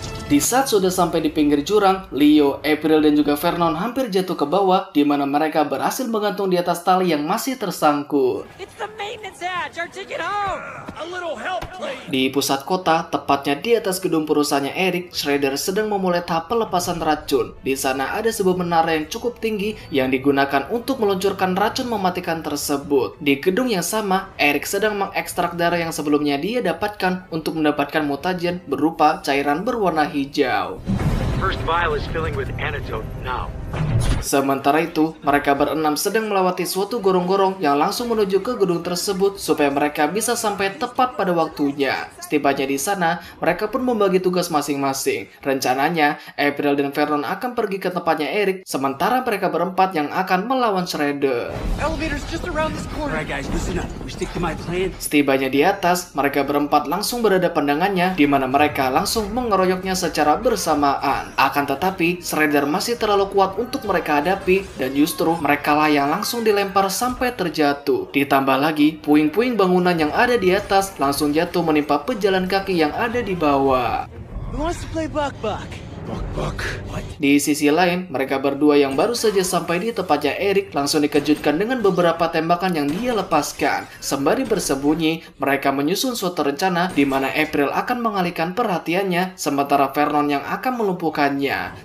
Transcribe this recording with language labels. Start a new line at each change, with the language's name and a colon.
Indonesian: Di saat sudah sampai di pinggir jurang, Leo, April, dan juga Vernon hampir jatuh ke bawah, di mana mereka berhasil menggantung di atas tali yang masih tersangkut.
English: It's the maintenance hatch. Our ticket home. A little help, please.
Indonesian: Di pusat kota, tepatnya di atas gedung perusahaannya Eric, Shredder sedang memulai tahap pelepasan racun. Di sana ada sebuah menara yang cukup tinggi yang digunakan untuk meluncurkan racun mematikan tersebut. Di gedung yang sama, Eric sedang mengekstrak darah yang sebelumnya dia dapatkan untuk mendapatkan mutagen berupa cairan berwarna hijau.
English: First vial is filling with antidote now.
Indonesian: Sementara itu, mereka berenam sedang melewati suatu gorong-gorong yang langsung menuju ke gedung tersebut supaya mereka bisa sampai tepat pada waktunya. Setibanya di sana, mereka pun membagi tugas masing-masing. Rencananya, April dan Vernon akan pergi ke tempatnya Eric, sementara mereka berempat yang akan melawan Shredder.
English: Elevator's just around this corner. Alright guys, listen up. We stick to my plan.
Indonesian: Setibanya di atas, mereka berempat langsung berada pandangannya, di mana mereka langsung mengeroyoknya secara bersamaan. Akan tetapi, Shredder masih terlalu kuat untuk mereka hadapi, dan justru mereka lah yang langsung dilempar sampai terjatuh. Ditambah lagi, puing-puing bangunan yang ada di atas langsung jatuh menimpa pejalan kaki yang ada di bawah.
English: Who wants to play buck-buck? Buck-buck.
Indonesian: Di sisi lain, mereka berdua yang baru saja sampai di tempatnya Eric langsung dikejutkan dengan beberapa tembakan yang dia lepaskan. Sembari bersembunyi, mereka menyusun suatu rencana di mana April akan mengalihkan perhatiannya sementara Vernon yang akan melumpuhkannya.